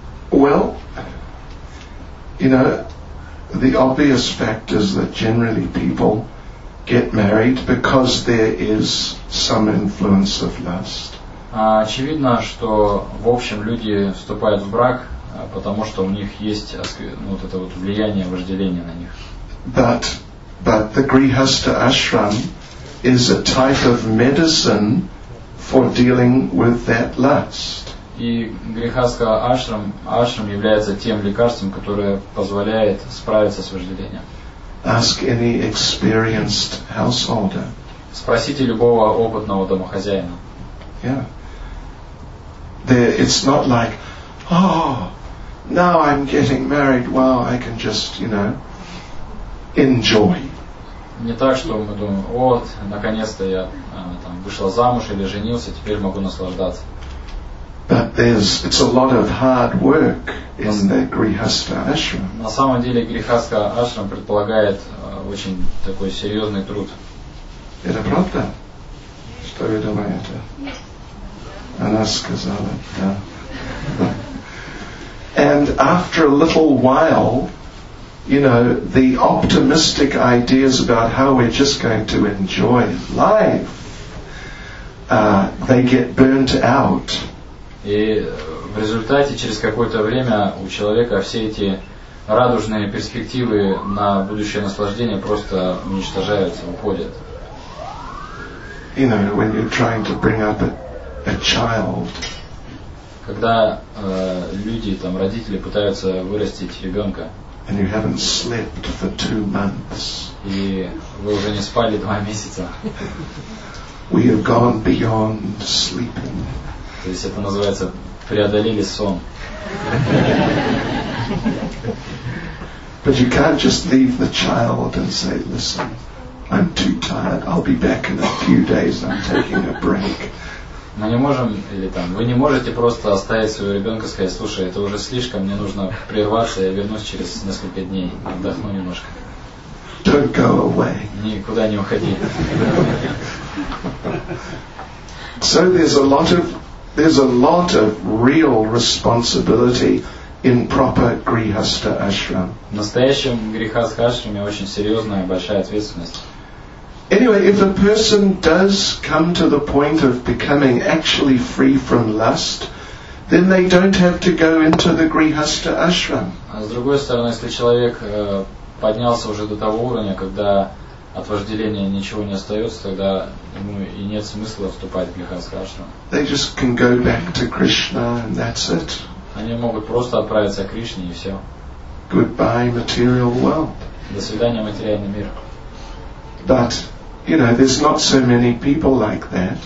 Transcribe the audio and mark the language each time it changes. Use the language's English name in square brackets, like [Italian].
[English] Well, you know, the obvious fact is that generally people get married because there is some influence of lust. [Russian] Очевидно, что в общем люди вступают в брак, потому что у них есть влияние вожделения на них. [English] But the Grihastha ashram is a type of medicine for dealing with that lust. [Russian] И грихастха ашрам является тем лекарством, которое позволяет справиться с вожделением. [English] Ask any experienced householder. [Russian] Спросите любого опытного домохозяина. [English] Yeah. There, it's not like, oh, now I'm getting married. Wow, I can just, you know, enjoy. [Russian] Не так, что мы думаем, вот, наконец-то я вышла замуж или женился, теперь могу наслаждаться. [English] But it's a lot of hard work in the Grihastha ashram. [Russian] На самом деле Грихастха ашрам предполагает очень такой серьезный труд. Это правда? Что? исповедовала это? Она сказала, да. [English] And after a little while, you know, the optimistic ideas about how we're just going to enjoy life, they get burnt out. [Russian] И в результате, через какое-то время, у человека все эти радужные перспективы на будущее наслаждение просто уничтожаются, уходят. [English] You know, when you're trying to bring up a child. [Russian] Когда люди, там, родители пытаются вырастить ребенка. [English] And you haven't slept for 2 months. [Russian] И вы уже не спали 2 месяца. [English] We have gone beyond sleeping. [Russian] То есть это называется преодолели сон. [English] But you can't just leave the child and say, listen, I'm too tired, I'll be back in a few days, I'm taking a break. [Russian] Мы не можем, или там, вы не можете просто оставить своего ребенка и сказать, слушай, это уже слишком, мне нужно прерваться, я вернусь через несколько дней, отдохну немножко. [English] Don't go away. [Russian] Никуда не уходи. [English] So there's a lot of real responsibility in proper grihastha ashram. [Russian] В настоящем грихастха ашраме очень серьезная большая ответственность. [English] Anyway, if a person does come to the point of becoming actually free from lust, then they don't have to go into the grihastha ashram. [Russian] А с другой стороны, если человек поднялся уже до того уровня, когда от вожделения ничего не остается, тогда ему и нет смысла вступать в грихастха ашрам. [English] They just can go back to Krishna and that's it. [Russian] Они могут просто отправиться к Кришне и все. [English] Goodbye, material world. [Russian] До свидания, материальный мир. [English] But, you know, there's not so many people like that.